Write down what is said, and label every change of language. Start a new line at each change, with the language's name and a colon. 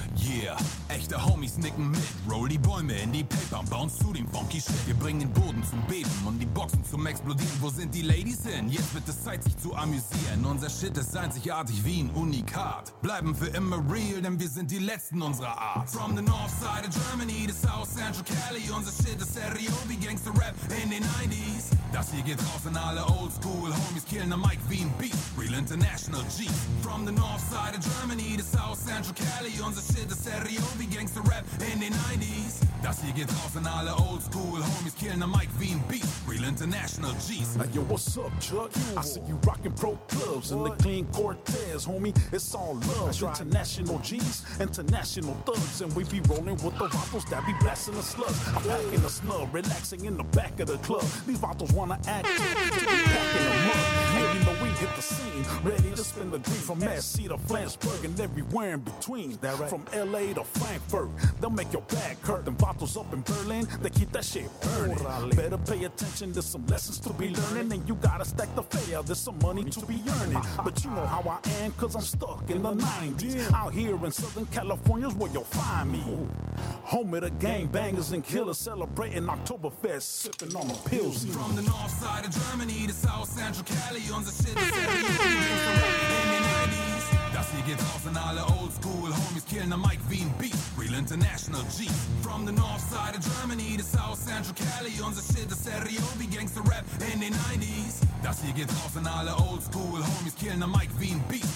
German: Yeah, echte Homies nicken mit. Roll die Bäume in die Paper und bounce zu dem funky Shit. Wir bringen den Boden zum Beben und die Boxen zum Explodieren. Wo sind die Ladies hin? Jetzt wird es Zeit, sich zu amüsieren. Unser Shit ist einzigartig wie ein Unikat. Bleiben für immer real, denn wir sind die Letzten unserer Art.
English: From the north side of Germany to South Central Cali.
German: Unser Shit ist Serioli Gangster Rap in den 90s. Das hier geht raus an alle Oldschool Homies, killen am Mic wie ein Beat.
English: Real International G. From the north side of Germany to South Central Cali.
German: Unser Shit ist Serioli Gangster Rap in den 90s. Das hier geht raus an alle Oldschool Homies, killen am Mic wie ein Beat.
English: Real International G's. Now, yo, what's up, Chuck? I see you rocking pro clubs in the clean Cortez, homie. It's all love. That's international G's, international thugs. And we be rolling with the rifles that be blasting the slugs. I'm packing a snub, relaxing in the back of the club. These rifles wanna act tough, packing them up. Yeah, you know we hit the scene. Ready to spin the green from SC to Flansburg and everywhere in between. That right? From LA to Frankfurt, they'll make your back hurt. Them bottles up in Berlin, they keep that shit burning. Better pay attention, there's some lessons to be learning. And you gotta stack the fare, there's some money to be earning. But you know how I am, cause I'm stuck in the 90s. Out here in Southern California's where you'll find me. Home of the gangbangers and killers celebrating Oktoberfest, sipping on a Pilsen. From the north side of Germany to South Central Cali, on the shit that's in the 90s.
German: Das hier geht raus an alle Oldschool Homies, killen am Mic wie ein Beat.
English: Real International G. From the north side of Germany to South Central Cali,
German: unser Shit ist Serioli Gangster Rap in den 90s. Das hier geht raus an alle Oldschool Homies, killen am Mic wie ein Beat.